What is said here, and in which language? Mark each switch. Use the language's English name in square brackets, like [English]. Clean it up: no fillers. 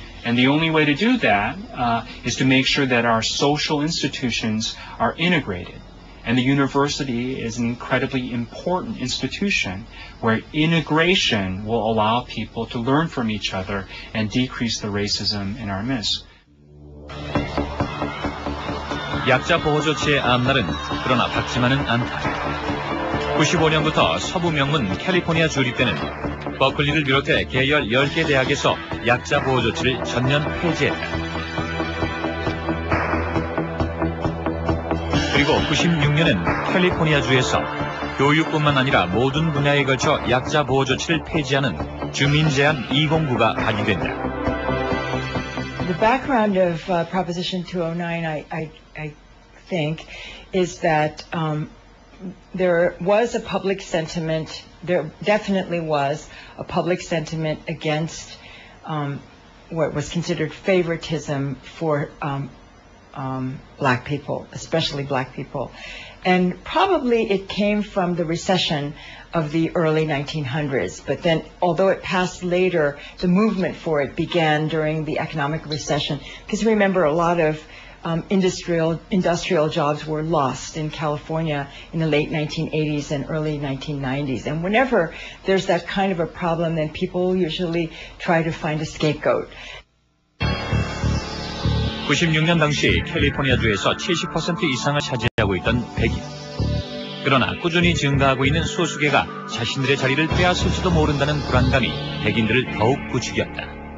[English] And the only way to do that is to make sure that our social institutions are integrated. And the university is an incredibly important institution where integration will allow people to learn from each other and decrease the racism in our midst. [Korean] 약자 보호 조치의 앞날은 그러나 밝지만은 않다. 95년부터 서부 명문 캘리포니아 주립대는 버클리를 비롯해 계열 10개 대학에서 약자 보호 조치를 전면 폐지했다. 그리고 96년은 캘리포니아 주에서 교육뿐만 아니라 모든 분야에 걸쳐 약자 보호 조치를 폐지하는 주민제한 209가 발의된다. [English] The background of Proposition 209, I think, is that there was a public sentiment, there definitely was a public sentiment against what was considered favoritism for black people, especially black people. And probably it came from the recession of the early 1900s. But then, although it passed later, the movement for it began during the economic recession. Because remember, a lot of industrial jobs were lost in California in the late 1980s and early 1990s. And whenever there's that kind of a problem, then people usually try to find a scapegoat. [Korean] 96년 당시 캘리포니아주에서 70% 이상을 차지하고 있던 백인. 그러나 꾸준히 증가하고 있는 소수계가 자신들의 자리를 빼앗을지도 모른다는 불안감이 백인들을 더욱 부추겼다.